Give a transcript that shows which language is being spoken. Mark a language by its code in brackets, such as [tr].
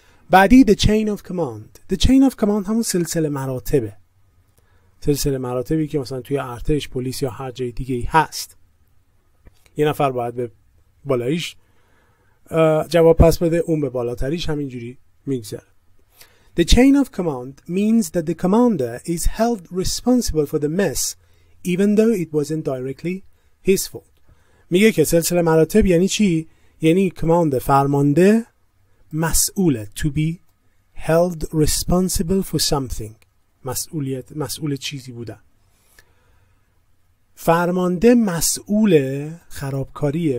[fa] بعدی [en] the chain of command. The chain of command [fa] همون سلسله مراتبه. سلسله مراتبی که مثلا توی ارتش، پلیس یا هر جای دیگه ای هست. یه نفر باید به بالایش جواب پس بده، اون به بالاتریش، همینجوری میگذره. [en] The chain of command means that the commander is held responsible for the mess even though it wasn't directly his fault. [fa] میگه که سلسله مراتب یعنی چی؟ یعنی کماند، فرمانده، مسئوله. [en] To be held responsible for something. [fa] مسئولیت، مسئول چیزی بودن. فرمانده مسئول خرابکاریه.